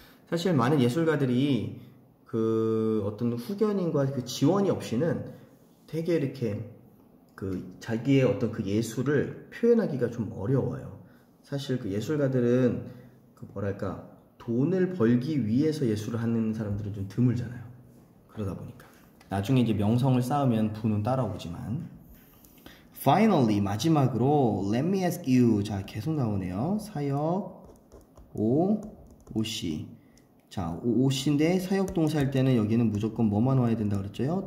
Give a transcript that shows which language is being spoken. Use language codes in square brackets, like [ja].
[ko] 사실 많은 예술가들이 그 어떤 후견인과 그 지원이 없이는 되게 이렇게 그 자기의 어떤 그 예술을 표현하기가 좀 어려워요. 사실 그 예술가들은 그 뭐랄까, 돈을 벌기 위해서 예술을 하는 사람들은 좀 드물잖아요. 그러다 보니까 나중에 이제 명성을 쌓으면 부는 따라오지만. [en] Finally, [ko] 마지막으로 [en] let me ask you. [ko] 자, 계속 나오네요. 사역 OC. 자, OC인데 사역 동사일 때는 여기는 무조건 뭐만 와야 된다 그랬죠?